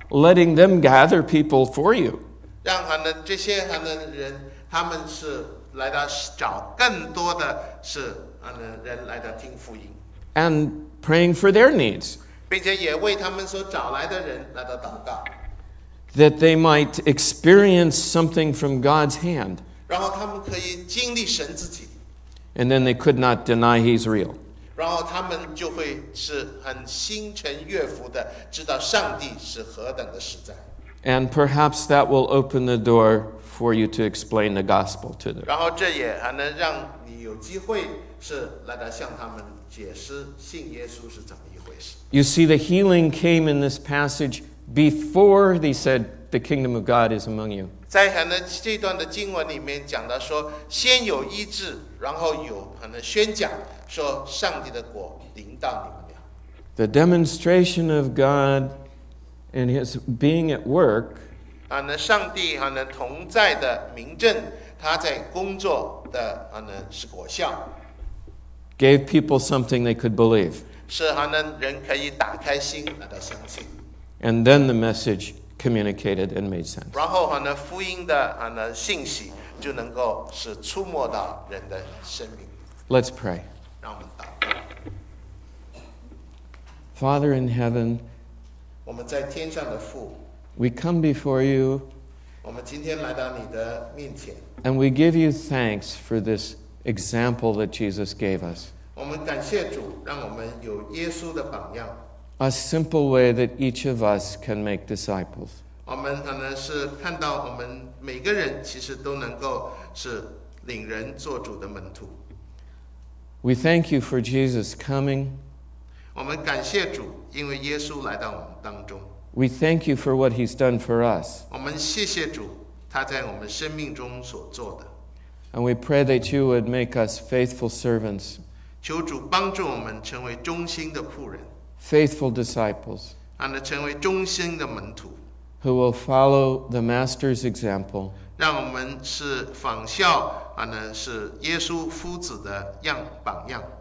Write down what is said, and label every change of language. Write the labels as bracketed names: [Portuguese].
[English] Letting them gather people for you. [Chinese] 让这些人，他们是来到找更多的是人来到听福音。 [English] And praying for their needs. [Chinese] 并且也为他们所找来的人来到祷告。 [English] That they might experience something from God's hand. [Chinese] 然后他们可以经历神自己。 [English] And then they could not deny he's real. [Chinese] 然后他们就会是心诚悦服的知道上帝是何等的实在。 [English] And perhaps that will open the door for you to explain the gospel to them. [Chinese] 然后这也能让你有机会是来到向他们解释信耶稣是怎么一回事。 [English] You see, the healing came in this passage before they said the kingdom of God is among you. [Chinese] 在这段的经文里面讲到说，先有医治，然后有宣讲说上帝的国临到你们了。 [English] The demonstration of God and His being at work. [Chinese] 上帝同在的明证，他在工作的是果效。 [English] Gave people something they could believe. [Chinese] 是人可以打开心来到相信。 [English] And then the message communicated and made sense. [Chinese] 然后福音的信息就能够是触摸到人的生命。 [English] Let's pray. [Chinese] 让我们祷告。 [English] Father in heaven, [Chinese] 我们在天上的父， [English] we come before you. [Chinese] 我们今天来到你的面前。 [English] And we give you thanks for this example that Jesus gave us. [Chinese] 我们感谢主，让我们有耶稣的榜样。 [English] A simple way that each of us can make disciples. [Chinese] 我们是看到我们每个人其实都能够是领人做主的门徒。 [English] We thank you for Jesus coming. [Chinese] 我们感谢主，因为耶稣来到我们当中。 [English] We thank you for what he's done for us. [Chinese] 我们谢谢主，他在我们生命中所做的。 [English] And we pray that you would make us faithful servants. [Chinese] 求主帮助我们成为忠心的仆人。 [English] Faithful disciples. [Chinese] 成为忠心的门徒。 [English] Who will follow the Master's example. [Chinese] 让我们是仿效是耶稣夫子的榜样。